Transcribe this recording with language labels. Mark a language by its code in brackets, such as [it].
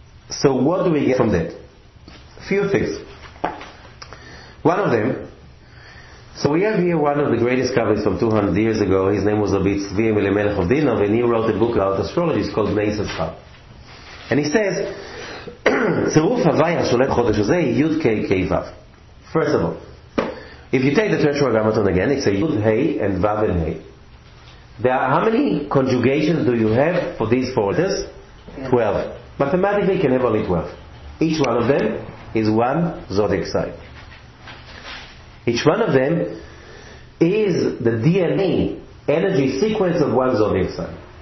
[en] So what do we get from that? A few things. One of them. So we have here one of the greatest Kabbalists from 200 years ago. His name was Rabbi Tzvi Elimelech of Dinov, and he wrote a book about astrology. It's called Mei Sefer. And he says, [he] צירוף הוויה שולט חודש הזה יוד קי קי וו. [en] First of all, If you take the Tetragrammaton again, it's a Yud, Hey, and Vav, and Hey. There are, how many conjugations do you have for these four letters? 12. Mathematically, you can have only 12. Each one of them is one zodiac sign. Each one of them is the DNA energy sequence of one zodiac sign.